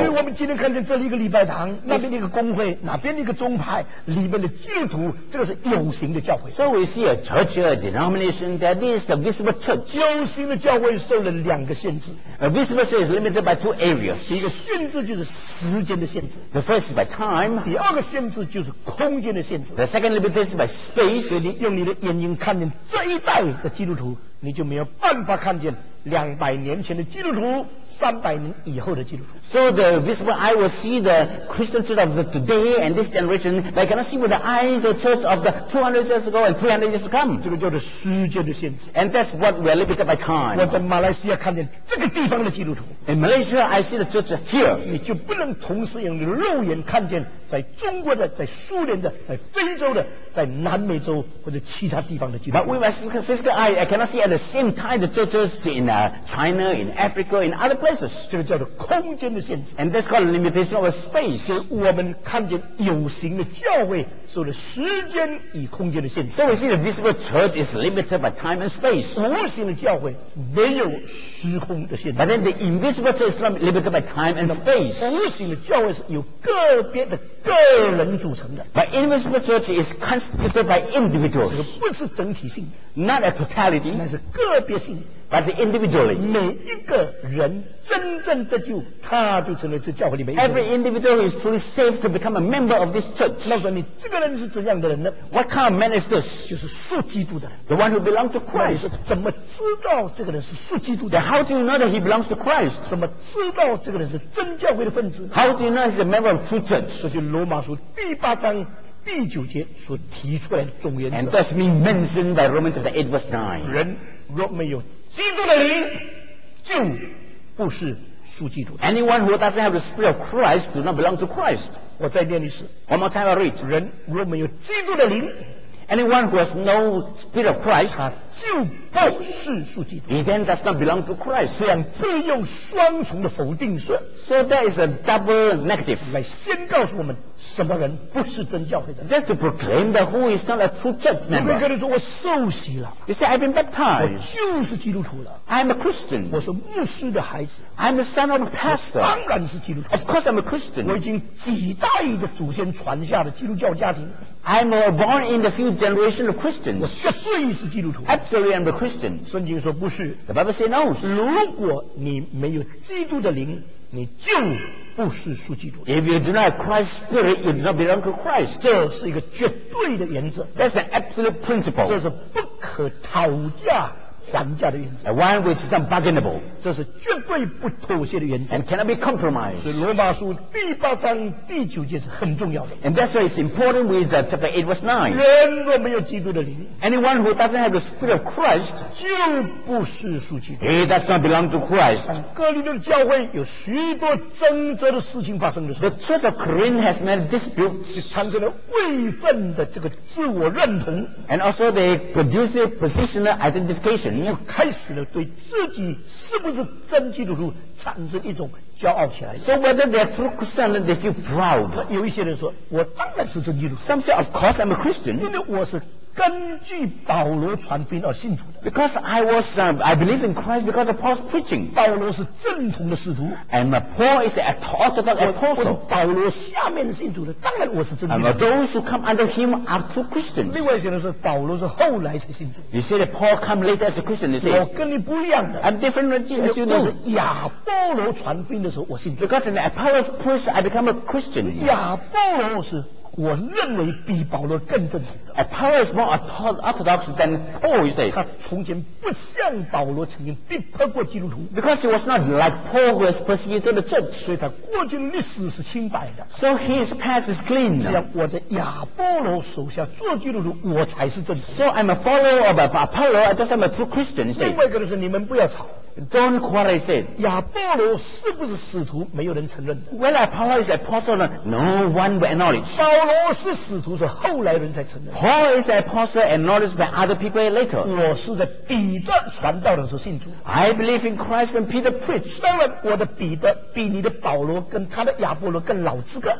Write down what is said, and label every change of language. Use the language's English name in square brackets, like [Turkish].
[Chinese] 所以我们今天看见这里一个礼拜堂那边一个公会哪边一个宗派里面的基督徒这个是有形的教会 [English] So we see a church or a denomination that this is a visible church [Chinese] 有形的教会受了两个限制 [English] A visible church is limited by two areas [Chinese] 第一个限制就是时间的限制 [English] The first is by time [Chinese] 第二个限制就是空间的限制 [English] The second limitation is by space [Chinese] 所以你用你的眼睛看见这一代的基督徒你就没有办法看见两百年前的基督徒三百年以后的基督徒 [English] So the visible eye will see the Christian church of the today and this generation but I cannot see with the eyes the church of the 200 years ago and 300 years to come [Chinese] 这个叫做时间的限制 [English] And that's what we are limited by time [Chinese] 我在马来西亚看见这个地方的基督徒 [English] In Malaysia I see the church here [Chinese] 你就不能同时用肉眼看见在中国的在苏联的在非洲的在南美洲或者其他地方的基督徒 [English] But with my physical eye I cannot see at the same time the churches in China in Africa in other places [Chinese] 这个叫做空间的限制 [English] And that's called limitation of space [Chinese] 所以我们看见有形的教会受了时间与空间的限制 [English] So we see the visible church is limited by time and space [Chinese] 无形的教会没有时空的限制 [English] But then the invisible church is not limited by time and space [Chinese] 无形的教会是由个别的个人组成的 [English] But invisible church is constituted by individuals [Chinese] 这个不是整体性 [English] Not a totality [Chinese] 那是个别性 [English] But individually, [Chinese] 每一个人真正得救，他就成了这教会里面一个人。 [English] Every individual is truly saved to become a member of this church. [Chinese] 那说你这个人是怎样的人呢 [English] ？What kind of man is this? [Chinese] 就是属基督的人。 [English] The one who belongs to Christ. [Chinese] 怎么知道这个人是属基督的 [English] ？How do you know that he belongs to Christ? [Chinese] 怎么知道这个人是真教会的分子 [English] ？How do you know he's a member of true church? [Chinese] 这就是罗马书第八章。第九节所提出来的总原则 [English] And that's been mentioned by Romans chapter 8 verse 9 [Chinese] 人若没有基督的灵就不是属基督 [English] Anyone who doesn't have the spirit of Christ do not belong to Christ [Chinese] 我再念一次 [English] One more time I read [Chinese] 人若没有基督的灵 [English] Anyone who has no spirit of Christ [Chinese] 他就不是属基督 [English] He then does not belong to Christ [Chinese] 这样自用双重的否定式 [English] So that is a double negative [Chinese] 来先告诉我们什么人不是真教会的 [English] Just to proclaim that who is not a true church member [Chinese] 有个人说我受洗了 [English] You say I've been baptized [Chinese] 我就是基督徒了 [English] I'm a Christian [Chinese] 我是牧师的孩子 [English] I'm the son of a pastor [Chinese] 当然是基督徒 [English] Of course I'm a Christian [Chinese] 我已经几代的祖先传下的基督教家庭 [English] I'm born in the few generations of Christians [Chinese] 我绝对是基督徒 [English] Absolutely I'm a Christian Christian? [Chinese] 圣经说不是。 [English] The Bible says no. [Chinese] 如果你没有基督的灵，你就不是属基督。 [English] If you deny Christ's spirit, you do not belong to Christ. [Chinese] 这是一个绝对的原则。 [English] That's an absolute principle. [Chinese] 这是不可讨价还价的原则。 [English] A one which is unbargainable. [Chinese] 这是绝对不妥协的原则。 [English] And cannot be compromised. [Chinese] 所以罗马书第八章第九节是很重要的。 [English] And that's why it's important with chapter 8 verse 9. [Chinese] 人若没有基督的灵， [English] anyone who doesn't have the spirit of Christ [Chinese] 就不是属基督。 [English] He does not belong to Christ. [Chinese] 哥林多教会有许多争执的事情发生的时候， [English] the church of Corinth has many disputes. [Chinese] 产生了位分的这个自我认同。 [English] And also they produce a positional identification. [Chinese] 就开始了对自己是不是真基督徒产生一种骄傲起来。 [English] So whether they're true Christians, they feel proud. [Chinese] 有一些人说，我当然是真基督徒。 [English] Some say, of course, I'm a Christian. [Chinese] 因为我是根据保罗传福音而信主的。 [English] Because I was, I believe in Christ because of Paul's preaching. [Chinese] 保罗是正统的使徒。 [English] And Paul is an orthodox apostle. [Chinese] 我是保罗下面的信主的，当然我是真基督徒。 [English] And those who come under him are true Christians. [Chinese] 另外一些人说，保罗是后来才信主。 [English] You say that Paul come later as a Christian. You say, [Chinese] 我跟你不一样的。 [English] I'm different from you. [Chinese] 我是亚波罗传福音的时候我信主。 [English] Because in Apollos preached, I become a Christian. [Chinese] 亚波罗是。我认为比保罗更正统的。 [English] Paul is more orthodox than Paul, you say. [Chinese] 他从前不像保罗曾经逼迫过基督徒。 [English] Because he was not like Paul who has persecuted the church. [Chinese] 所以他过去历史是清白的。 [English] So his past is clean. [Chinese] 只要我在亚波罗手下做基督徒，我才是正统。 [English] So I'm a follower of Apollo, I just am a true Christian, you say. [Chinese] 另外一个就是你们不要吵。 [English] Don't quarrel, said. [Chinese] 亚波罗是不是使徒？没有人承认。 [English] Well, Paul is apostle, no one will acknowledge. [Chinese] 保罗是使徒，是后来人才承认。 [English] Paul is apostle, acknowledged by other people later. [Chinese] 我是在彼得传道的时候信主。 [English] I believe in Christ when Peter preached. [Chinese] 当然，我的彼得比你的保罗跟他的亚波罗更老资格。